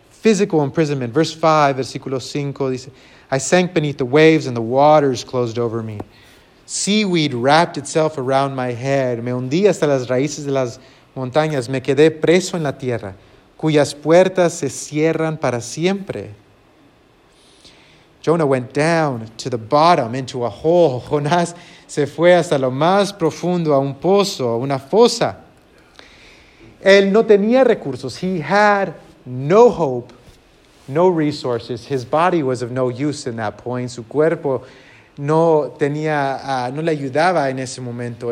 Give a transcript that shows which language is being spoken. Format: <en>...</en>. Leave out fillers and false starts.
<en>Physical imprisonment. Verse 5,</en> <es>versículo 5, dice,</es> <en>I sank beneath the waves and the waters closed over me. Seaweed wrapped itself around my head.</en> <es>Me hundí hasta las raíces de las montañas, me quedé preso en la tierra, cuyas puertas se cierran para siempre.</es> <en>Jonah went down to the bottom, into a hole.</en> <es>Jonás se fue hasta lo más profundo, a un pozo, a una fosa. Él no tenía recursos.</es> <en>He had no hope, no resources. His body was of no use in that point.</en> <es>Su cuerpo no tenía, no le ayudaba en ese momento.</es>